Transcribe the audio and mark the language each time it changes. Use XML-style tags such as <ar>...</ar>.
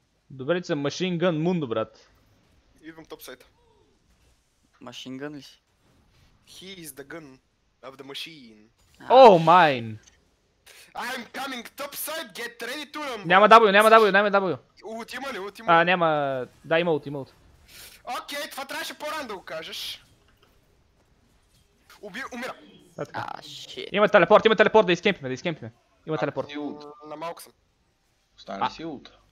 <bg>Добре, че съм Machine Gun Mundo, брат. Идвам топ сайта. Machine Gun ли си?</bg> <en>He is the gun of the machine. Oh, mine! I'm coming topside, get ready to run!</en> <bg>Няма W, няма W, няма W! Ултима ли, ултима? А, няма... Да, има ултима ут. Окей, това трябваше по-рано да го кажеш. Умира! А, шит. Има телепорт, има телепорт, да изкемпиме, да изкемпиме. Има телепорт. На малко съм. Постани си ут.</bg>